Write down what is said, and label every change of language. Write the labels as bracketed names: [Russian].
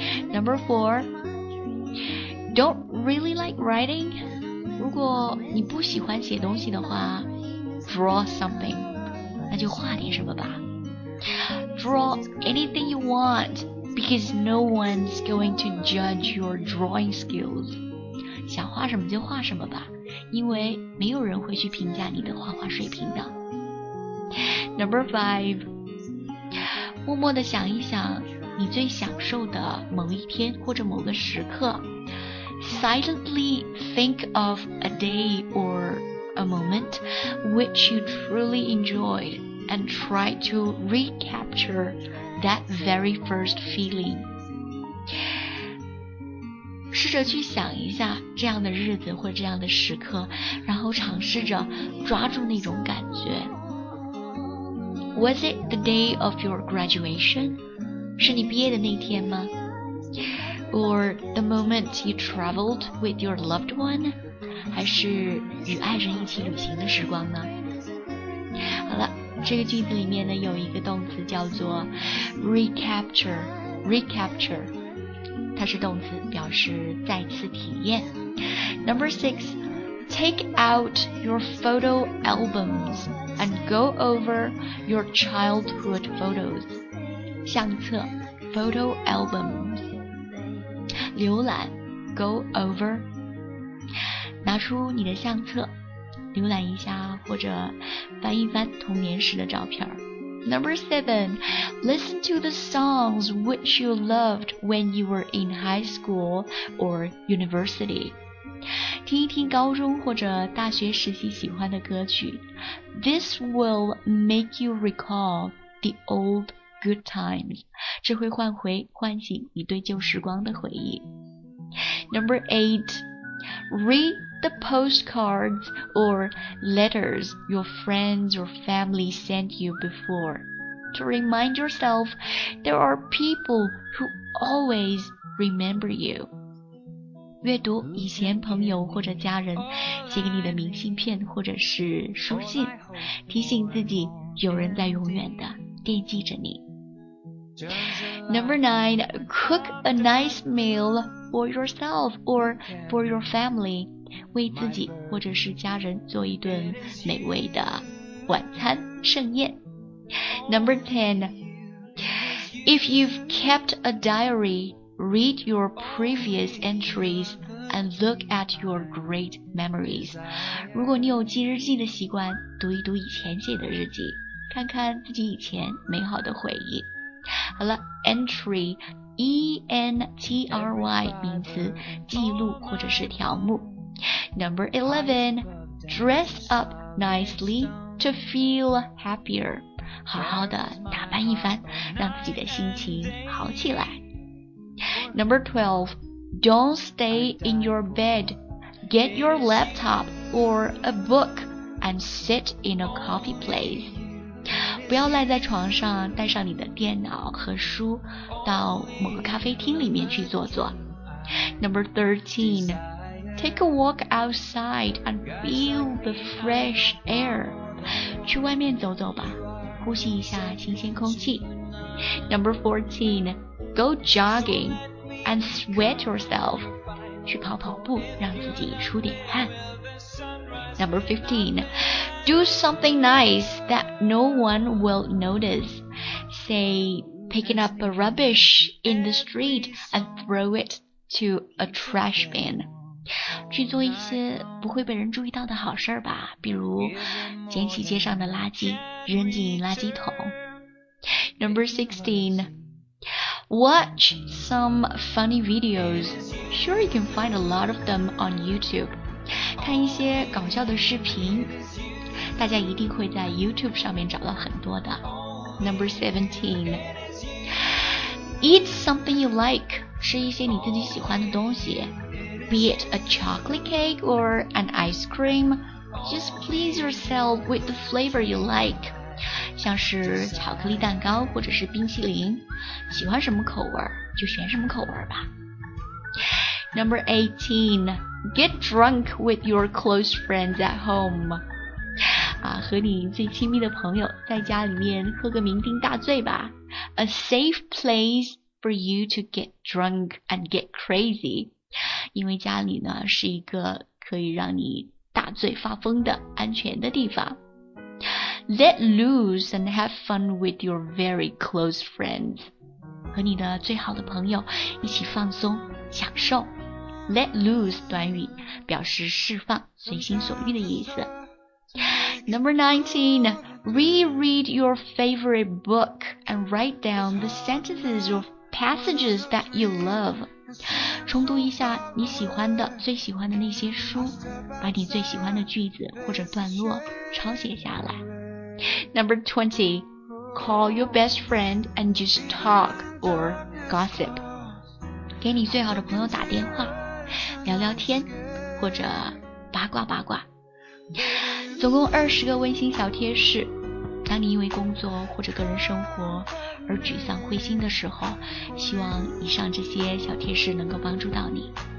[English] Number four, don't really like writing? [Chinese] 如果你不喜欢写东西的话， [English] draw something, [Chinese] 那就画点什么吧。 [English] Draw anything you want, because no one's going to judge your drawing skills. [Chinese] 想画什么就画什么吧，因为没有人会去评价你的画画水平的。 [English] Number five, [Chinese] 默默地想一想你最享受的某一天或者某个时刻。 [English] Silently think of a day or a moment which you truly enjoyed and try to recapture that very first feeling. [Chinese] 试着去想一下这样的日子或这样的时刻，然后尝试着抓住那种感觉。 [English] Was it the day of your graduation? [Chinese] 是你毕业的那天吗？ [English] Or the moment you traveled with your loved one? [Chinese] 还是与爱人一起旅行的时光呢？好了，这个句子里面呢有一个动词叫做 recapture，它是动词，表示再次体验。 [English] Number six, take out your photo albums and go over your childhood photos. [Chinese] 相册 [English] photo albums, [Chinese] 浏览 [English] go over, [Chinese] 拿出你的相册浏览一下，或者翻一翻童年时的照片。 [English] Number seven, listen to the songs which you loved when you were in high school or university. [Chinese] 听一听高中或者大学时期喜欢的歌曲。 [English] This will make you recall the old good times. [Chinese] 这会唤醒你对旧时光的回忆。 [English] Number eight, read the postcards or letters your friends or family sent you before to remind yourself there are people who always remember you. [Chinese] 阅读以前朋友或者家人写给你的明信片或者是书信，提醒自己有人在永远的惦记着你。 [English] Number nine, cook a nice meal for yourself or for your family. [Chinese] 为自己或者是家人做一顿美味的晚餐盛宴。 [English] Number 10, if you've kept a diary, read your previous entries and look at your great memories. [Chinese] 如果你有记日记的习惯，读一读以前写的日记，看看自己以前美好的回忆。好了， entry, E-N-T-R-Y, 名词，记录或者是条目。 [English] Number 11, dress up nicely to feel happier. [Chinese] 好好的打扮一番，让自己的心情好起来。 [English] Number 12, don't stay in your bed. Get your laptop or a book and sit in a coffee place. [Chinese] 不要赖在床上，带上你的电脑和书到某个咖啡厅里面去坐坐。 [English] Number 13, Take a walk outside and feel the fresh air. [Chinese] 去外面走走吧，呼吸一下新鲜空气。 [English] Number 14. Go jogging and sweat yourself. [Chinese] 去跑跑步，让自己出点汗。 [English] Number 15. Do something nice that no one will notice. Say, picking up a rubbish in the street and throw it to a trash bin. [Chinese] 去做一些不会被人注意到的好事吧，比如捡起街上的垃圾，扔进垃圾桶。 [English] Number 16. Watch some funny videos. Sure, you can find a lot of them on YouTube. [Chinese] 看一些搞笑的视频，大家一定会在 YouTube 上面找到很多的。 [English] Number 17. Eat something you like. [Chinese] 吃一些你自己喜欢的东西。 [English] Be it a chocolate cake or an ice cream. Just please yourself with the flavor you like. [Chinese] 像是巧克力蛋糕或者是冰淇淋，喜欢什么口味就选什么口味吧。 [English] Number 18. Get drunk with your close friends at home. [Chinese] 啊，和你最亲密的朋友在家里面喝个酩酊大醉吧。 [English] A safe place for you to get drunk and get crazy. [Chinese] 因为家里呢是一个可以让你大醉发疯的安全的地方。 [English] Let loose and have fun with your very close friends. [Chinese] 和你的最好的朋友一起放松，享受。 [English] Let loose [Chinese] 短语表示释放，随心所欲的意思。 [English] Number 19. Reread your favorite book and write down the sentences or passages that you love. [Chinese] 重读一下你喜欢的、最喜欢的那些书，把你最喜欢的句子或者段落抄写下来。 [English] Number 20. Call your best friend and just talk or gossip. [Chinese] 给你最好的朋友打电话。聊聊天或者八卦八卦，总共20个温馨小贴士。当你因为工作或者个人生活而沮丧灰心的时候，希望以上这些小贴士能够帮助到你。